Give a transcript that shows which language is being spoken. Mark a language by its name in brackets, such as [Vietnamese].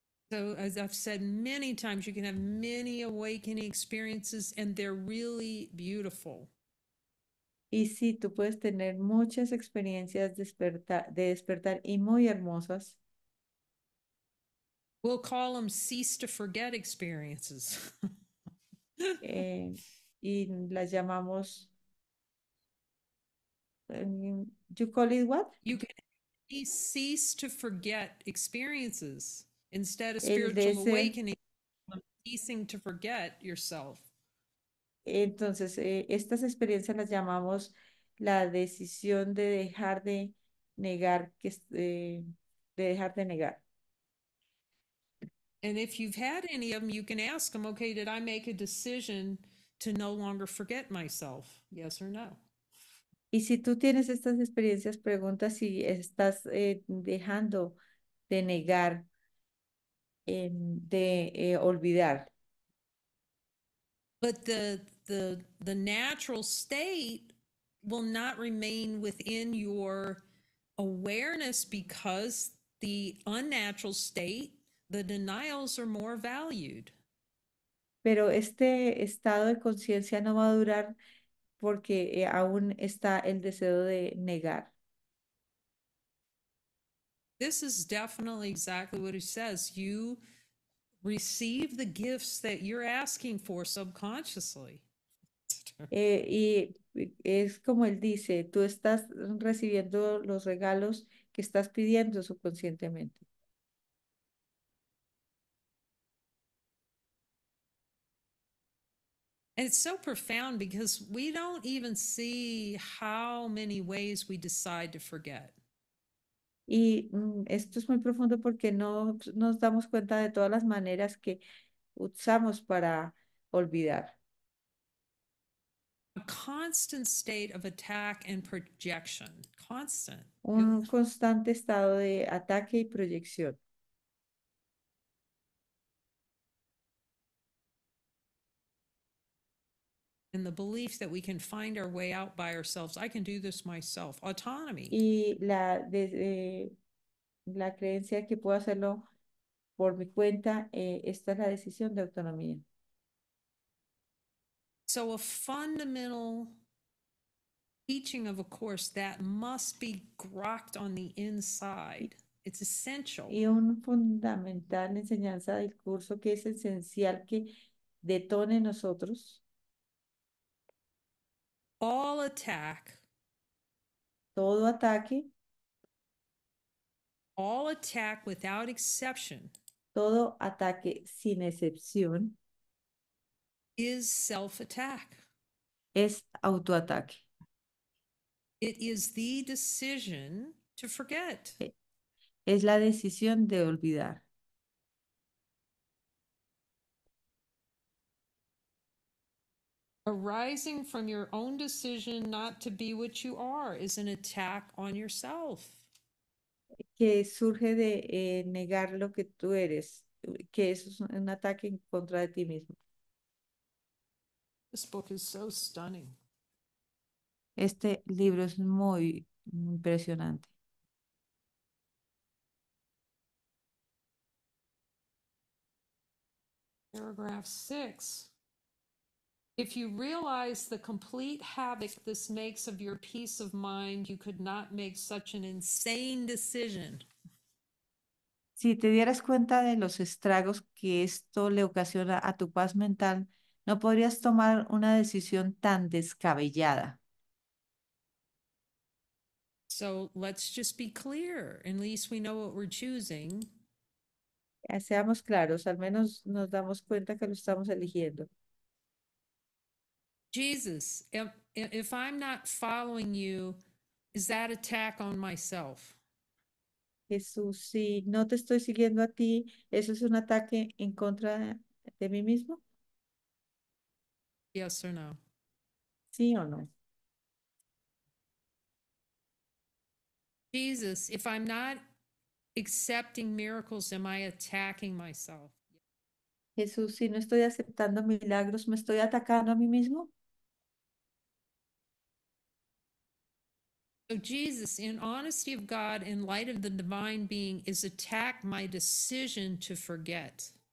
[English] So, as I've said many times, you can have many awakening experiences and they're really beautiful. [Spanish] Y sí, tú puedes tener muchas experiencias de despertar y muy hermosas. [English] We'll call them cease to forget experiences. [Spanish] Y las llamamos, [English] you call it what? You can cease to forget experiences. Instead of [Spanish] El [English] spiritual [Spanish] deseo. [English] awakening, ceasing to forget yourself. [Spanish] Entonces, estas experiencias las llamamos la decisión de dejar de negar que de dejar de negar. [English] And if you've had any of them, you can ask them, okay, did I make a decision to no longer forget myself? Yes or no. [Spanish] Y si tú tienes estas experiencias, pregunta si estás dejando de negar, de olvidar. [English] But the natural state will not remain within your awareness because the unnatural state, the denials are more valued. [Spanish] Pero este estado de conciencia no va a durar porque aún está el deseo de negar. [English] This is definitely exactly what he says. You receive the gifts that you're asking for subconsciously. [Spanish] Y es como él dice, tú estás recibiendo los regalos que estás pidiendo subconscientemente. [English] It's so profound because we don't even see how many ways we decide to forget. [Spanish] Y esto es muy profundo porque no nos damos cuenta de todas las maneras que usamos para olvidar. [English] Constant state of attack and projection. Constant. [Spanish] Un constante estado de ataque y proyección. [English] And the belief that we can find our way out by ourselves. I can do this myself. Autonomy. [Spanish] Y la creencia que puedo hacerlo por mi cuenta, esta es la decisión de autonomía. [English] So a fundamental teaching of a course that must be grokked on the inside. It's [Spanish] Y [English] essential. [Spanish] un fundamental enseñanza del curso que es esencial que detone en nosotros. [English] All attack. [Spanish] Todo ataque, [English] All attack without exception. [Spanish] sin excepción, [English] Is self-attack. [Spanish] es autoataque. [English] It is the decision to forget. [Spanish] Es la decisión de olvidar. [English] Arising from your own decision not to be what you are is an attack on yourself. [Spanish] Que surge de negar lo que tú eres, que eso es un ataque en contra de ti mismo. [English] This book is so stunning. [Spanish] Este libro es muy impresionante. [English] Paragraph 6. If you realize the complete havoc this makes of your peace of mind, you could not make such an insane decision. [Spanish] Si te dieras cuenta de los estragos que esto le ocasiona a tu paz mental, no podrías tomar una decisión tan descabellada. [English] So let's just be clear. At least we know what we're choosing. [Spanish] Seamos claros, al menos nos damos cuenta que lo estamos eligiendo. [English] Jesus, if I'm not following you, is that attack on myself? [Spanish] Jesús, si no te estoy siguiendo a ti, ¿eso es un ataque en contra de mí mismo? [English] Yes or no? [Spanish] ¿Sí o no? [English] Jesus, if I'm not accepting miracles, am I attacking myself? [Spanish] Jesús, si no estoy aceptando milagros, ¿me estoy atacando a mí mismo? [English] So Jesus, in honesty of God, in light of the divine being, is attack my decision to forget.